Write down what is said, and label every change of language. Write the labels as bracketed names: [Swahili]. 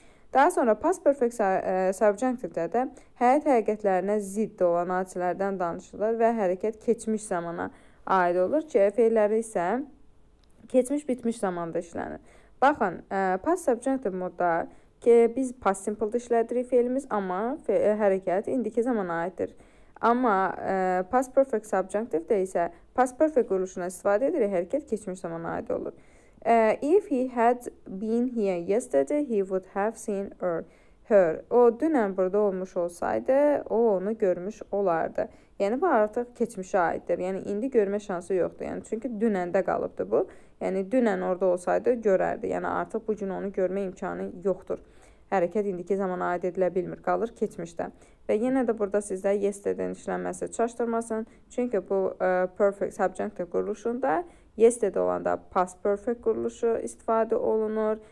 [Azerbaijani] Daha sonra past perfect subjunctive-də də həyat həqiqətlərinə zidd olan hadisələrdən danışılır və hərəkət keçmiş zamana aid olur ki, feilləri isə keçmiş bitmiş zamanda işlənir. Baxın, past subjunctive modda ki, biz past simple-də işlədirik feilimiz, amma hərəkət indiki zamana aiddir. Amma past perfect subjunctive-də isə past perfect quruluşuna istifadə edirik, hərəkət keçmiş zamana aid olur. [English] If he had been here yesterday, he would have seen her. [Azerbaijani] O, dünən burada olmuş olsaydı, o onu görmüş olardı. Yəni, bu artıq keçmişə aiddir. Yəni, indi görmə şansı yoxdur. Yəni, çünki dünəndə qalıbdır bu. Yəni, dünən orada olsaydı, görərdi. Yəni, artıq bugün onu görmə imkanı yoxdur. Hərəkət indiki zamana aid edilə bilmir. Qalır keçmişdə. Və yenə də burada sizdə yesterday-in işlənməsi çaşdırmasın. Çünki bu perfect subjunctive quruluşunda yesterday olanda past perfect quruluşu istifadə olunur.